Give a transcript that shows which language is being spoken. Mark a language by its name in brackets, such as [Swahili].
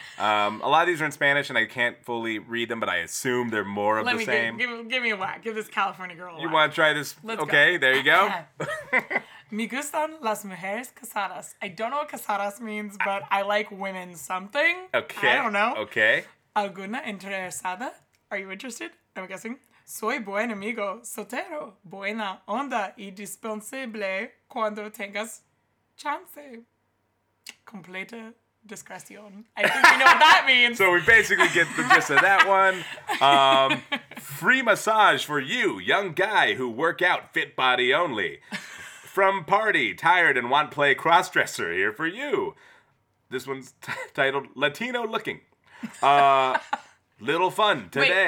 [English] A lot of these are in Spanish, and I can't fully read them, but I assume they're more of the same. Give me a whack. Give this California girl a whack. You want to try this? Let's okay, There you go. [Spanish] Me gustan las mujeres casadas. [English] I don't know what casadas means, but I like women something. Okay. I don't know. Okay. [Spanish] ¿Alguna interesada? [English] Are you interested? I'm guessing. [Spanish] Soy buen amigo, soltero, buena onda y disponible cuando tengas chance. Completa. Discreción. [English] I think we know what that means. So we basically get the gist of that one. Free massage for you, young guy who work out fit body only. From party, tired and want play crossdresser here for you. This one's titled Latino Looking. Little fun today.